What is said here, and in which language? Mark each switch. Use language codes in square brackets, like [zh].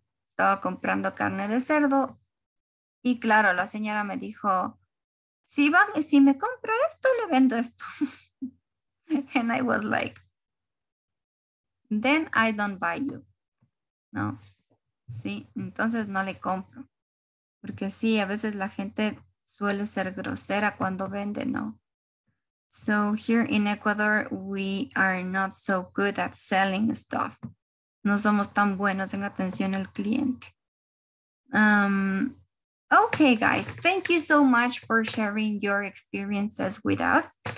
[es] Estaba comprando carne de cerdo. Y claro, la señora me dijo, si me compro esto, le vendo esto. [en] And I was like, then I don't buy you. [es] No. Sí, entonces no le compro. Porque sí, a veces la gente suele ser grosera cuando vende, ¿no? [en] So here in Ecuador, we are not so good at selling stuff. [es] No somos tan buenos en atención al cliente. [en] Okay, guys. Thank you so much for sharing your experiences with us.